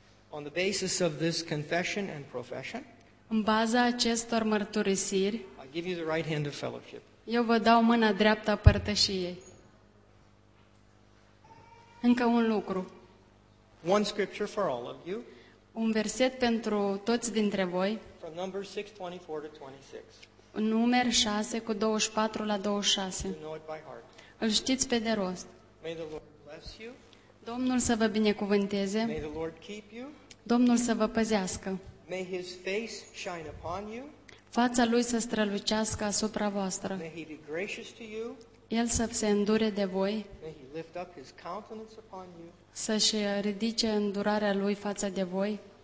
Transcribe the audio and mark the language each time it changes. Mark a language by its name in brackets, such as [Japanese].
[English] On the basis of this confession and profession, [Romanian] în baza acestor mărturisiri, [English] I give you the right hand of fellowship. [Romanian] Eu vă dau mâna dreaptă a părtășiei. Încă un lucru. [English] One scripture for all of you. [Romanian] Un verset pentru toți dintre voi. [English] From Numbers 6:24 to 26. [Romanian] În Numer 6 cu 24 la 26. [English] You know it by heart. [Romanian] Îl știți pe de rost. [English] May the Lord bless you. [Romanian] Domnul să vă binecuvânteze. [English] May the Lord keep you. [Romanian] Domnul să vă păzească. [English] May his face shine upon you. [Romanian] Fața lui să strălucească asupra voastră. [English] May he be gracious to you. [Romanian] El să se îndure de voi, [English] may he lift up his countenance upon you, [Romanian] să-și ridice îndurarea lui față de voi